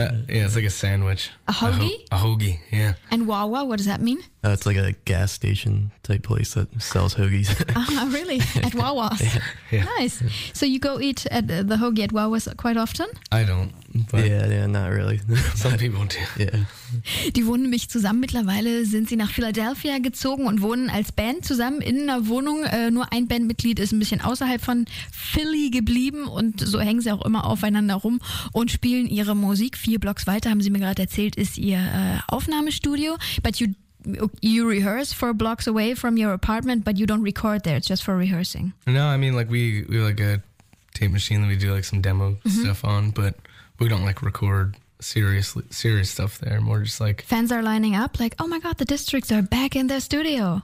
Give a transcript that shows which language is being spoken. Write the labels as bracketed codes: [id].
[en] It's like a sandwich. A hoagie? A hoagie, yeah. And Wawa, what does that mean? It's like a gas station type place that sells hoagies. Really? At Wawa's? Yeah. Nice. So you go eat at the hoagie at Wawa's quite often? I don't. Not really. Some people do. Yeah. [de] Die wohnen nämlich zusammen. Mittlerweile sind sie nach Philadelphia gezogen und wohnen als Band zusammen in einer Wohnung. Nur ein Bandmitglied ist ein bisschen außerhalb von Philly geblieben und so hängen sie auch immer aufeinander rum und spielen ihre Musik. Vier Blocks weiter, haben sie mir gerade erzählt, ist ihr Aufnahmestudio. [en] But you rehearse four blocks away from your apartment, but you don't record there. It's just for rehearsing. No, I mean, like, we have, like, a tape machine that we do, like, some demo stuff on, but we don't, like, record serious stuff there. More just, like... Fans are lining up, like, oh, my God, the Districts are back in their studio.